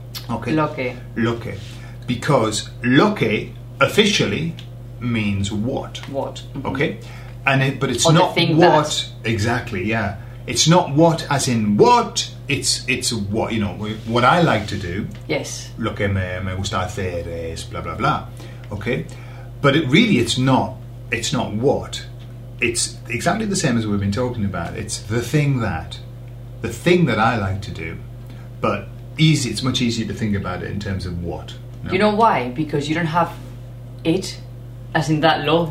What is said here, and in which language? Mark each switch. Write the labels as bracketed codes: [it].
[es] Okay. Lo que. Lo que. [en] Because lo que officially means what. What. Mm-hmm. Okay. And it's not what, exactly, yeah. It's not what as in what, it's what, you know, what I like to do. Yes. [es] Lo que me gusta hacer es blah, blah, blah. [en] Okay? But it really, it's not what. It's exactly the same as we've been talking about. It's the thing that I like to do, but easy. It's much easier to think about it in terms of what. No. You know why? Because you don't have it, as in that law.